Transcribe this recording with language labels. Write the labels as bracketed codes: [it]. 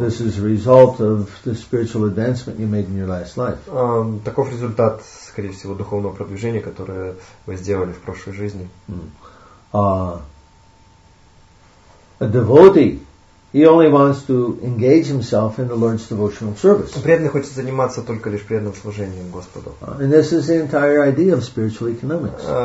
[en] This is a result of the spiritual advancement you made in your last life. [ru] Таков результат, скорее всего, духовного продвижения, которое вы сделали в прошлой жизни. [en] A devotee, he only wants to engage himself in the Lord's devotional service. [ru] Преданный хочет заниматься только лишь преданным служением Господу. [en] And this is the entire idea of spiritual economics.